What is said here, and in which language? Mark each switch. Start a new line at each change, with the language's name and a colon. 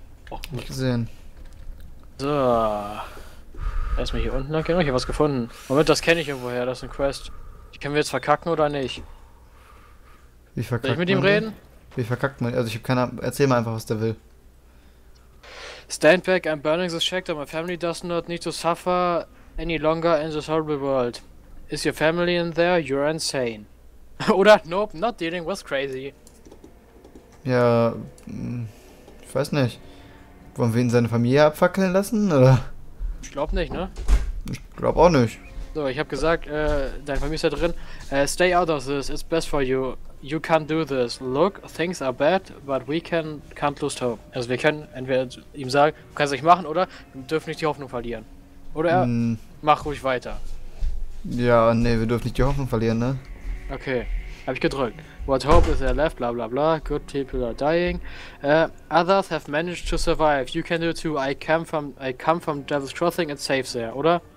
German: Och, nicht gesehen. So. Erstmal hier unten lang, okay, ich hab was gefunden. Moment, das kenne ich irgendwoher, das ist ein Quest. Die können wir jetzt verkacken oder nicht? Wie verkackt man? Soll ich mit ihm reden? Wie verkackt man? Also ich hab keine Ahnung, erzähl mal einfach, was der will.
English: Stand back, I'm burning this chapter. My family does not need to suffer any longer in this horrible world. Is your family in there? You're insane.
German: Oder,
English: nope, not dealing with crazy.
German: Ja, ich weiß nicht. Wollen wir ihn seine Familie abfackeln lassen, oder? Ich glaub nicht, ne? Ich glaub auch nicht. So, ich hab gesagt, dein Familie ist da drin.
English: Stay out of this, it's best for you. You can't do this. Look, things are bad, but we can't lose hope.
German: Also wir können entweder ihm sagen, du kannst es nicht machen, oder? Wir dürfen nicht die Hoffnung verlieren. Oder er, mach ruhig weiter. Ja, ne, wir dürfen nicht die Hoffnung verlieren, ne? Okay, hab ich gedrückt.
English: What hope is there left, bla bla bla, good people are dying. Others have managed to survive, you can do too, I come from Devil's Crossing, it's safe there,
German: oder?